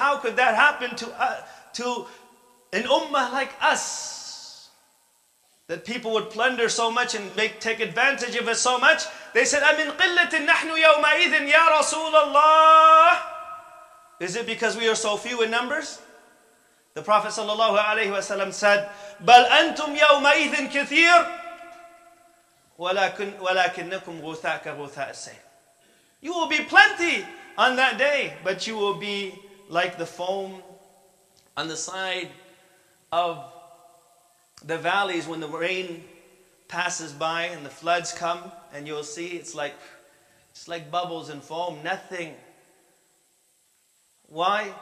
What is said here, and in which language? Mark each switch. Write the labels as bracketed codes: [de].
[en] How could that happen to an ummah like us? That people would plunder so much and take advantage of it so much. They said, [ar] أَمِنْ قِلَّةٍ نَحْنُ يَوْمَئِذٍ يَا رَسُولَ اللَّهِ. [en] Is it because we are so few in numbers? The Prophet sallallahu alaihi wasallam said, [ar] بَلْ أَنْتُمْ يَوْمَئِذٍ كَثِيرٌ وَلَكِنَّكُمْ غُثَاءَ غُثَاءَ السَّيْلِ. [en] You will be plenty on that day, but you will be like the foam on the side of the valleys when the rain passes by and the floods come, and you'll see it's like bubbles and foam, nothing. Why?